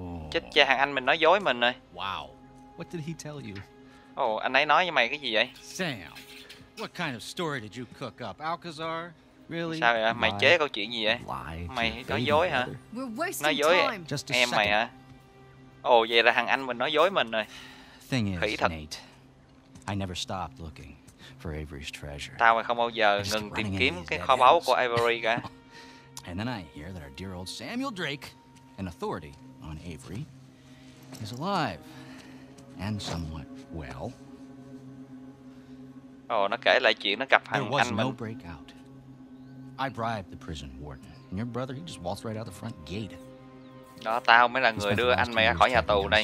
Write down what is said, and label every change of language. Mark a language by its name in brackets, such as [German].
[Vietnamese] Chết cha, thằng anh mình nói dối mình rồi. Wow. [English] What did he tell you? [Vietnamese] Ồ, anh ấy nói với mày cái gì vậy? [English] Sam, what kind of story did you cook up? [Vietnamese] Alcazar? Really? Sao vậy? Mày chế câu chuyện gì vậy? Mày nói dối hả? Nói dối em mày hả? Ồ, vậy là thằng anh mình nói dối mình rồi. Khỉ thật. Nate, [English] I never stopped looking for Avery's treasure. [Vietnamese] Tao mày không bao giờ ngừng tìm kiếm cái kho báu của Avery cả. [English] And then I hear that our dear old Samuel Drake, an authority on Avery, is alive and somewhat well. [Vietnamese] Ồ, nó kể lại chuyện nó gặp thằng anh mình. [English] I bribed the prison warden. And your brother, he just waltzed right out the front gate. [Vietnamese] Đó, tao mới là người đưa anh mày ra khỏi nhà tù đây.